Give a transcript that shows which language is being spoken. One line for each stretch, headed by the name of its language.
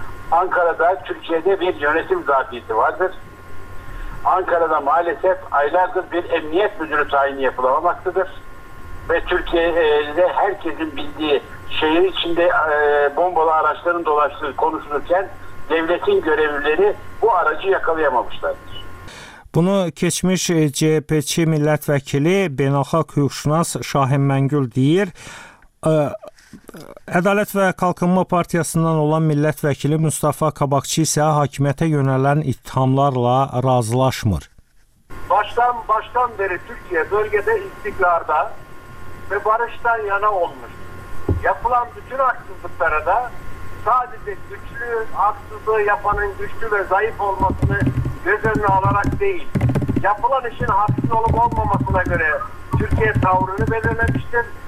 Turkish: Ankara'da, Türkiye'de bir yönetim zafiyeti vardır. Ankara'da maalesef aylardır bir emniyet müdürü tayini yapılamamaktadır. Ve Türkiye'de herkesin bildiği, şehir içinde bombalı araçların dolaştığı konuşulurken devletin görevlileri bu aracı yakalayamamışlardır.
Azerbaijani: Bunu keçmiş CHP'çi milletvekili, beynəlxalq hüquqşünas Şahin Məngül deyir. Ədalət və Qalqınma Partiyasından olan millət vəkili Mustafa Qabaqçı isə hakimiyyətə yönələn ittihamlarla razılaşmır.
Turkish: Baştan beri Türkiye bölgede istikrarda ve barıştan yana olmuş. Yapılan bütün haksızlıklara da sadece güçlü haksızlığı yapanın güçlü ve zayıf olmasını göz önüne alarak değil, yapılan işin haksız olup olmamasına göre Türkiye tavrını belirlemiştir.